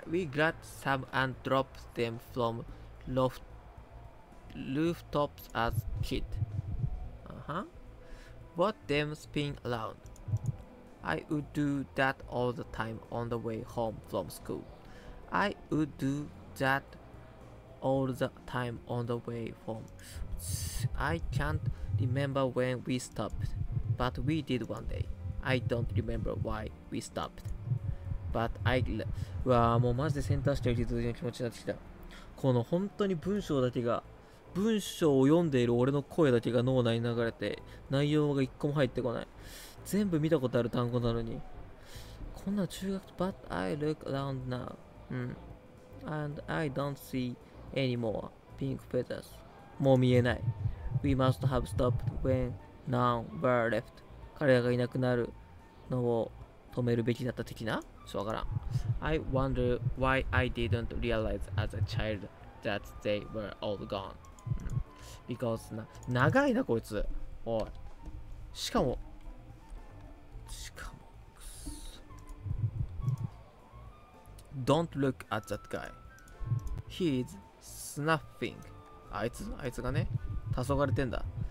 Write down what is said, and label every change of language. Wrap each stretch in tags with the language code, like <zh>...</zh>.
<en>We grabbed some and dropped them from rooftops as kid、What them spin aroundI would do that all the time on the way home from school. I would do that all the time on the way home. I can't remember when we stopped, but we did one day. I don't remember why we stopped. But I</en> <ja>うわぁ、もうマジでセンターしてる人の気持ちになってきた。この本当に文章だけが、文章を読んでいる俺の声だけが脳内に流れて、内容が一個も入ってこない。全部見たことある単語なのに。こんな中学、</ja> <en>But I look around now、And I don't see any more pink feathers。</en> <ja>もう見えない。</ja> <en>We must have stopped when none were left。</en> <ja>彼らがいなくなるのを止めるべきだった的な。そうわからん。</ja> <en>I wonder why I didn't realize as a child that they were all gone、Because</en> <ja>な長いなこいつ。おい、しかもくそ。</ja> <en>Don't look at that guy、He is snuffing。</en> <ja>あいつがね、黄昏れてんだ。</ja>